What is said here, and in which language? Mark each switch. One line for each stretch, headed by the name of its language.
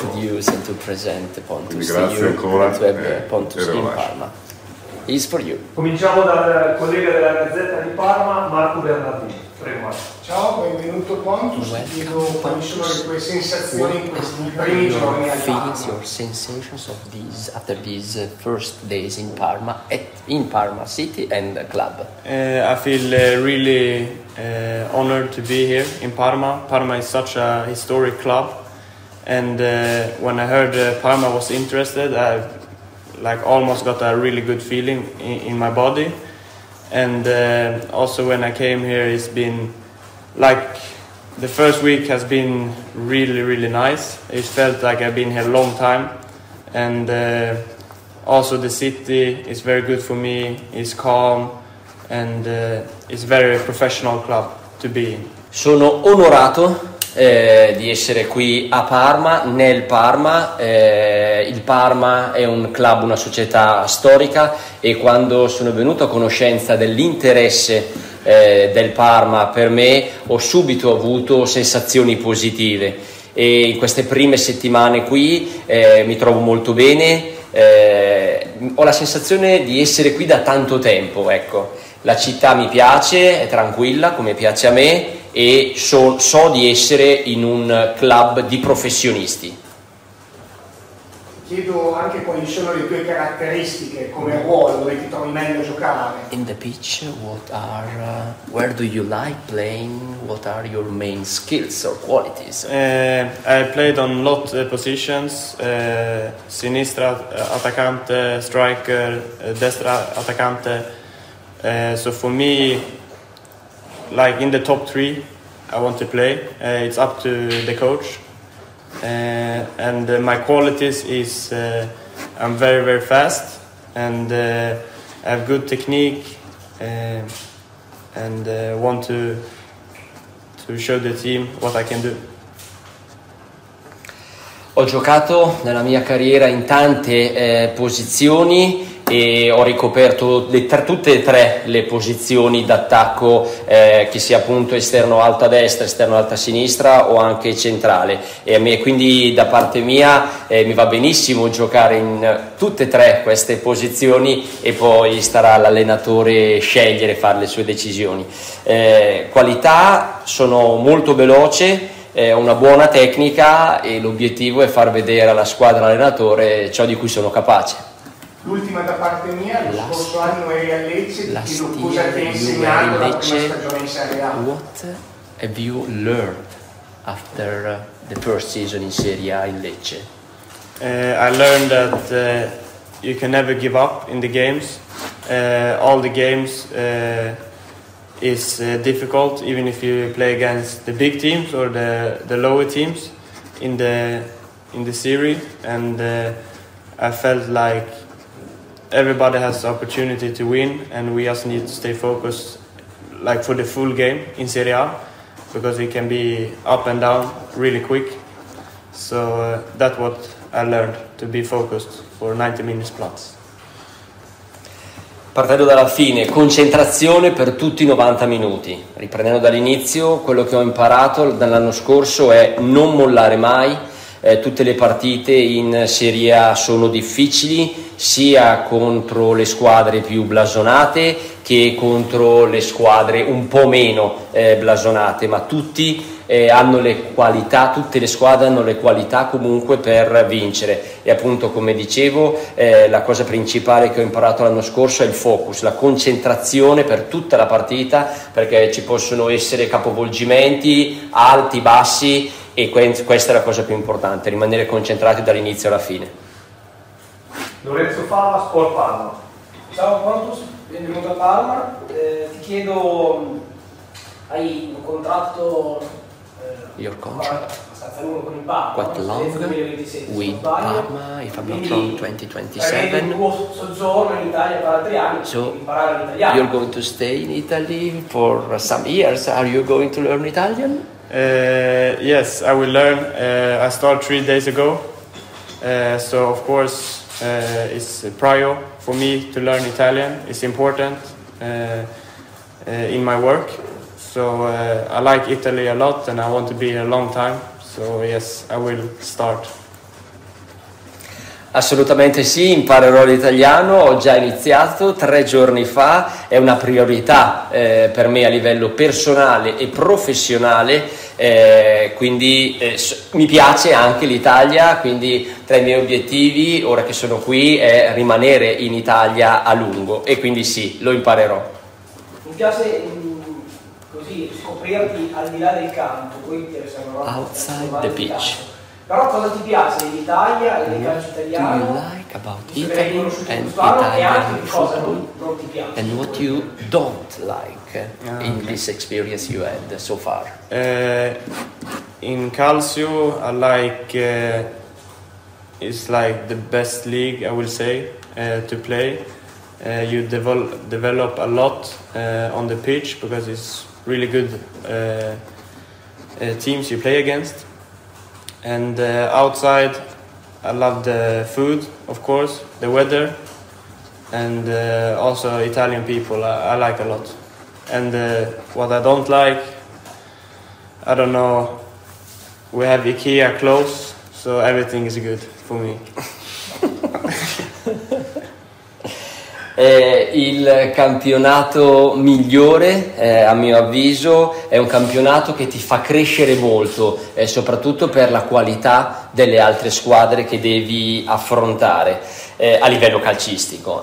Italian: Quindi grazie ancora per il Parma.
English: Is for you.
Italian: Cominciamo dal collega della Gazzetta di Parma, Marco Bernardini. Prego. Ciao, benvenuto Pontus. Chiedo quali sono le tue sensazioni in questi primi giorni a Parma.
English: Feelings, your sensations of these after these first days in Parma, in Parma City and the club. I feel really honored to be here in Parma. Parma is such a historic club, and when I heard Parma was interested, I almost got a really good feeling in my body. And also when I came here, it's been the first week has been really, really nice. It felt like I've been here a long time. And also the city is very good for me. It's calm and it's a very professional club to be in.
Italian: Sono onorato di essere qui a Parma, nel Parma. Il Parma è un club, una società storica, e quando sono venuto a conoscenza dell'interesse del Parma per me, ho subito avuto sensazioni positive, e in queste prime settimane qui mi trovo molto bene. Ho la sensazione di essere qui da tanto tempo, ecco. La città mi piace, è tranquilla come piace a me, e so di essere in un club di professionisti. Chiedo anche quali sono le tue caratteristiche come ruolo, dove ti trovi meglio a giocare.
English: In the pitch, what are where do you like playing? What are your main skills or qualities? I played on lot of positions,
Italian: sinistra attaccante,
English: striker,
Italian: destra attaccante.
English: So for me, in the top three, I want to play. It's up to the coach. And my qualities is I'm very, very fast, and I have good technique, and want to show the team what I can do.
Italian: Ho giocato nella mia carriera in tante posizioni, e ho ricoperto tutte e tre le posizioni d'attacco, che sia appunto esterno alta destra, esterno alta sinistra o anche centrale, e a me, quindi da parte mia mi va benissimo giocare in tutte e tre queste posizioni, e poi starà l'allenatore scegliere, fare le sue decisioni. Qualità, sono molto veloce, una buona tecnica, e l'obiettivo è far vedere alla squadra, all'allenatore, ciò di cui sono capace. L'ultima da parte mia, lo scorso anno eri a Lecce, ti chiedo cosa ti ha insegnato la prima stagione in Serie A.
English: What have you learned after the first season in Serie A in Lecce? I learned that you can never give up in the games. All the games is difficult, even if you play against the big teams or the lower teams. in the series, and I felt like everybody has the opportunity to win, and we just need to stay focused, like for the full game in Serie A, because we can be up and down really quick. So that's what I learned, to be focused for 90 minutes plus.
Italian: Partendo dalla fine, concentrazione per tutti i 90 minuti. Riprendendo dall'inizio, quello che ho imparato dall'anno scorso è non mollare mai. Tutte le partite in Serie A sono difficili, sia contro le squadre più blasonate che contro le squadre un po' meno blasonate, ma tutti hanno le qualità, tutte le squadre hanno le qualità comunque per vincere. E appunto, come dicevo, la cosa principale che ho imparato l'anno scorso è il focus, la concentrazione per tutta la partita, perché ci possono essere capovolgimenti, alti, bassi, e questa è la cosa più importante, rimanere concentrati dall'inizio alla fine. Lorenzo Falla, Sport Parma. Ciao Pontus, benvenuto a Parma. Ti chiedo, hai un contratto abbastanza lungo con il Parma.
English: Quite long, with Parma, if I'm not wrong, 2027.
Italian: Il tuo soggiorno in Italia per altri anni, so imparare l'italiano.
English: You're going to stay in Italy for some years, are you going to learn Italian? Yes, I will learn. I started 3 days ago, so of course it's a prior for me to learn Italian. It's important in my work, so I like Italy a lot and I want to be here a long time, so yes, I will start.
Italian: Assolutamente sì, imparerò l'italiano, ho già iniziato 3 giorni fa, è una priorità per me a livello personale e professionale, quindi mi piace anche l'Italia, quindi tra i miei obiettivi ora che sono qui è rimanere in Italia a lungo, e quindi sì, lo imparerò. Mi piace così scoprirti al di là del campo, poi interessano
English: outside the pitch.
Italian: Però cosa ti piace dell'Italia e del calcio italiano?
English: Do you like about Italy and Italian football? And what you don't like in this experience you had so far? In calcio, I like it's like the best league, I will say, to play. You develop a lot on the pitch because it's really good teams you play against. And outside, I love the food, of course, the weather, and also Italian people, I like a lot. And what I don't like, I don't know, we have IKEA close, so everything is good for me.
Italian: Il campionato migliore, a mio avviso, è un campionato che ti fa crescere molto, soprattutto per la qualità delle altre squadre che devi affrontare a livello calcistico.